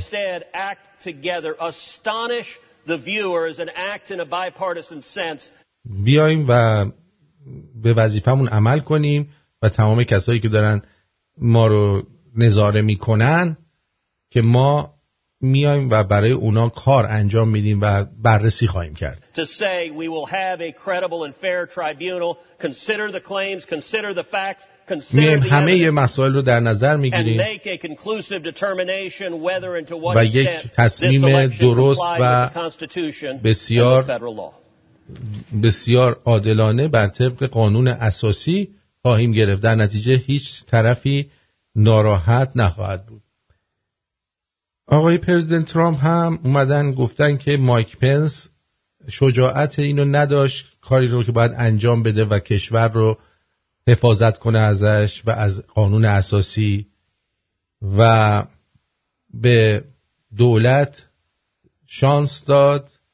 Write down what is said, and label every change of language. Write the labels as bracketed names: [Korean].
[English] Instead act together, astonish the viewers and act in a bipartisan sense. [Persian] بیایم و به وظیفمون عمل کنیم و تمام کسایی که دارن ما رو نظاره میکنن که ما میایم و برای اونا کار انجام میدیم و بررسی خواهیم کرد. [English] To say we will have a credible and fair tribunal, consider the claims, consider the facts, consider the evidence. [Persian] همه مسائل رو در نظر میگیریم. [English] And make a conclusive determination whether and to what extent. [Persian] و یک تصمیم درست و بسیار بسیار عادلانه بر طبق قانون اساسی خواهیم گرفت. در نتیجه هیچ طرفی ناراحت نخواهد بود. آقای پرزیدنت ترامپ هم اومدن گفتن که مایک پنس شجاعت اینو نداشت کاری رو که باید انجام بده و کشور رو حفاظت کنه ازش و از قانون اساسی و به دولت شانس داد